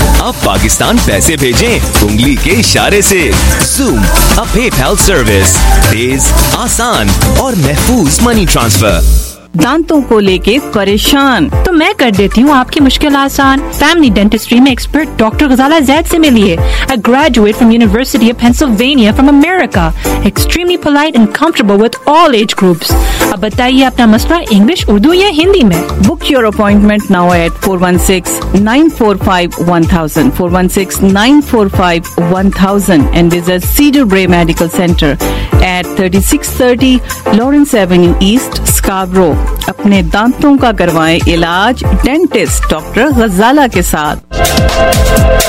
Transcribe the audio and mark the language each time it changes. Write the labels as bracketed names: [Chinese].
[Urdu] اب پاکستان پیسے بھیجیں انگلی کے اشارے سے. [English] Zoom, a PayPal service. [Urdu] Tez, aasan aur mehfooz [English] money transfer. [Urdu] دانتوں کو لے کے پریشان تو میں کر دیتی ہوں آپ کی مشکل آسان. فیملی ڈینٹسٹری میں ایکسپرٹ ڈاکٹر غزالہ زید سے ملیے. [English] A graduate from University of Pennsylvania from America. Extremely polite and comfortable with all age groups. [Urdu] اب بتائیے اپنا مسئلہ انگلش, اردو یا ہندی میں. [English] Book your appointment now at 416-945-1000 416-945-1000 and visit Cedarbrae Medical Centre at 3630 Lawrence Avenue East Scarborough. [Urdu] اپنے دانتوں کا کروائیں علاج ڈینٹسٹ ڈاکٹر غزالہ کے ساتھ.